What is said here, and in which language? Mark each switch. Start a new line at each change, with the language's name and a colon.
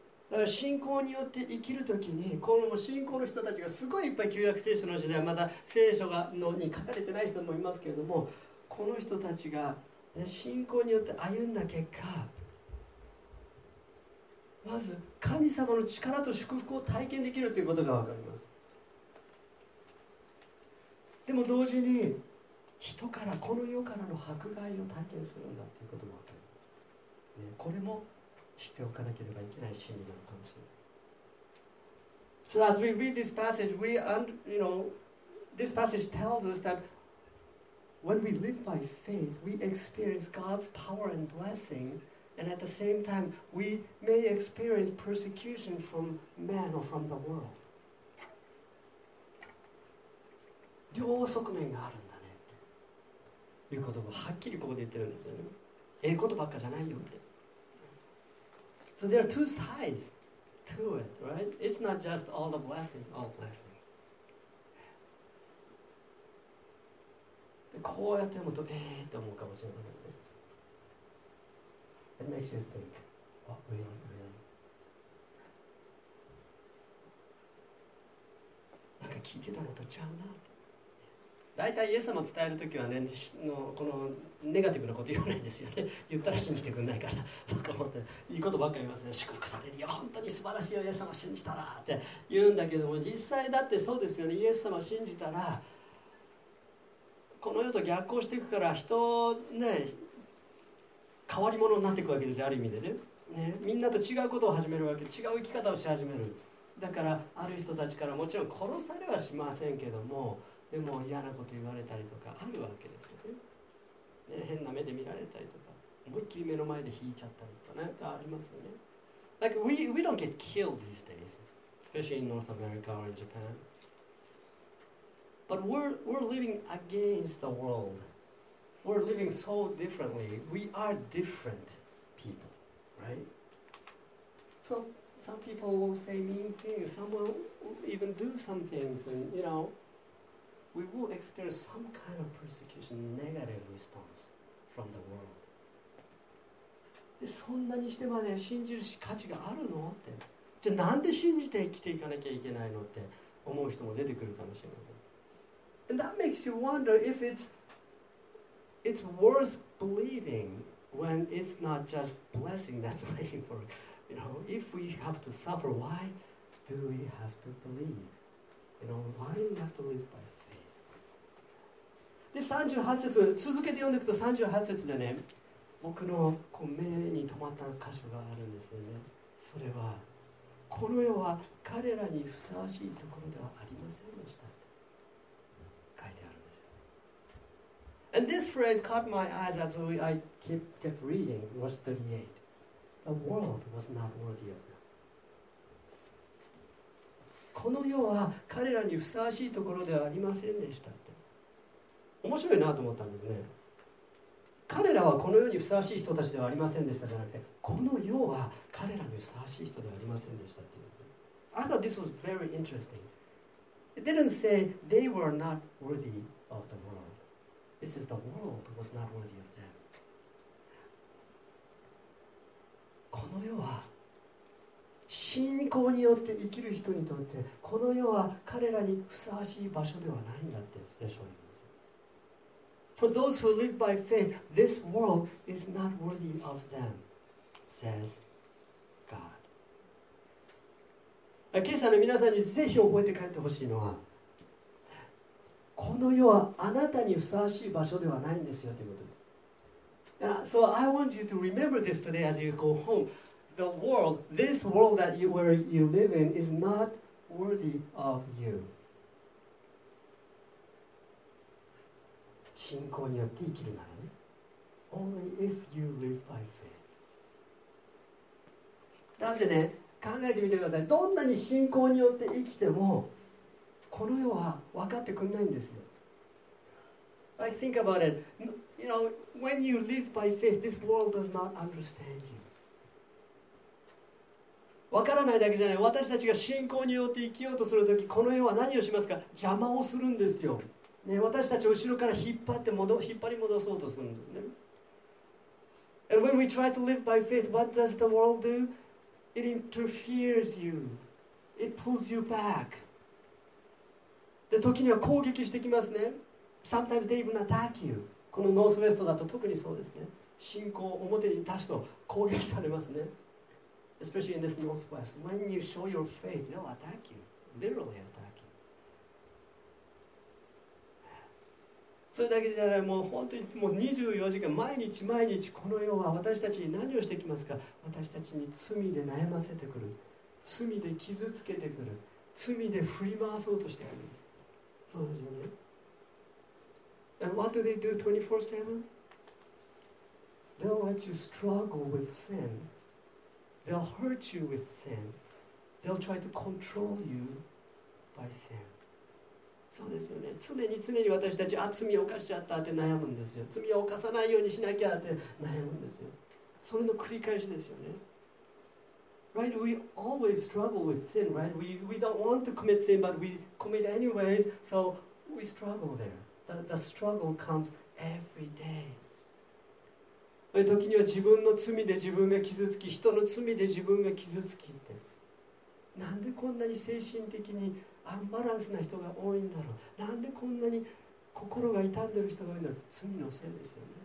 Japanese: だから信仰によって生きるときに、この信仰の人たちがすごいいっぱい旧約聖書の時代、まだ聖書がのに書かれてない人もいますけれども、この人たちが信仰によって歩んだ結果、まず神様の力と祝福を体験できるということが分かります。でも同時に人から、この世からの迫害を体験するんだということも分かります、ね、これも知っておかなければいけない真理なのかもしれない。
English: So as we read this passage, this passage tells us thatWhen we live by faith, we experience God's power and blessing, and at the same time, we may experience persecution from man or from the world.
Japanese: 両側面があるんだねっていうことをはっきりここで言ってるんですよね。ええことばっかじゃないよって。
English: So there are two sides to it, right? It's not just all the blessing, all blessing.
Japanese: こうやって読むと、って思うかもしれませんね。
English: It makes you think, what really, really?
Japanese: なんか聞いてたのとちゃうなって。大体イエス様を伝えるときはね、このネガティブなこと言わないですよね。言ったら信じてくれないから、僕は本当にいいことばっかり言いますね。祝福されるよ、本当に素晴らしいよ、イエス様を信じたらって言うんだけども、実際だってそうですよね、イエス様を信じたら、この世と逆行していくから、人ね、変わり者になっていくわけですよ、ある意味で ね。みんなと違うことを始めるわけ、違う生き方をし始める。だから、ある人たちからもちろん殺されはしませんけども、でも嫌なこと言われたりとかあるわけですよ ね。変な目で見られたりとか、思いっきり目の前で引いちゃったりとか、なんかありますよね。
English: Like, we don't get killed these days, especially in North America or in Japan. But we're living against the world. We're living so differently. We are different people, right? So, some people will say mean things. Someone will even do some things and, you know,We will experience some kind of persecution, negative response from the world.
Japanese: で、そんなにしてまで信じる価値があるのって。じゃあなんで信じて生きていかなきゃいけないのって思う人も出てくるかもしれません。
English: And that makes you wonder if it's worth believing when it's not just blessing that's waiting for us. You know, if we have to suffer, why do we have to believe? You know, why do we have to live by faith?
Japanese: で38節、続けて読んでいくと38節でね、僕のこう目に留まった箇所があるんですよね。それは、この世は彼らにふさわしいところではありませんでしたと書いてあるんですよ。
English: And this phrase caught my eyes as I kept reading, verse 38. The world was not worthy of them.
Japanese: この世は彼らにふさわしいところではありませんでした。面白いなと思ったんですね。彼らはこの世にふさわしい人たちではありませんでしたじゃなくて、この世は彼らにふさわしい人ではありませんでしたっていう。
English: I thought this was very interesting. It didn't say they were not worthy of the world. It says the world was not worthy of them.
Japanese: この世は信仰によって生きる人にとって、この世は彼らにふさわしい場所ではないんだって聖書に。
English: For those who live by faith, this world is not worthy of them, says God.
Japanese: 今朝の皆さんにぜひ覚えて帰ってほしいのは、この世はあなたにふさわしい場所ではないんですよということ。
English: So I want you to remember this today as you go home. The world, this world that you, where you live in, is not worthy of you.
Japanese: 信仰によって生きるならね。
English: Only if you live by faith.
Japanese: だってね、考えてみてください。どんなに信仰によって生きても、この世は分かってくれないんですよ。
English: I think about it. You know, when you live by faith, this world does not understand you.
Japanese: 分からないだけじゃない。私たちが信仰によって生きようとするとき、この世は何をしますか？邪魔をするんですよ。ね、私たちを後ろから引っ張り戻そうとするんですね。
English: And when we try to live by faith, what does the world do? It interferes you. It pulls you back.
Japanese: で、時には攻撃してきますね。
English: Sometimes they even attack you.
Japanese: このノースウェストだと特にそうですね。信仰を表に出すと攻撃されますね。
English: Especially in this Northwest. When you show your faith, they'll attack you. Literally attack you.
Japanese: それだけじゃない、もう本当にもう24時間、毎日毎日、この世は私たちに何をしてきますか？私たちに罪で悩ませてくる、罪で傷つけてくる、罪で振り回そうとしてくる。そうですよね。
English: And what do they do 24/7? They'll let you struggle with sin. They'll hurt you with sin. They'll try to control you by sin.
Japanese: そうですよね、常に常に私たち、あ、罪を犯しちゃったって悩むんですよ。罪を犯さないようにしなきゃって悩むんですよ。それの繰り返しですよね。
English: Right? We always struggle with sin, right? We don't want to commit sin, but we commit anyways, so we struggle there. The struggle comes every day.
Japanese: 時には自分の罪で自分が傷つき、人の罪で自分が傷つきって。なんでこんなに精神的にアンバランスな人が多いんだろう。なんでこんなに心が傷んでる人が多いのは罪のせいですよね。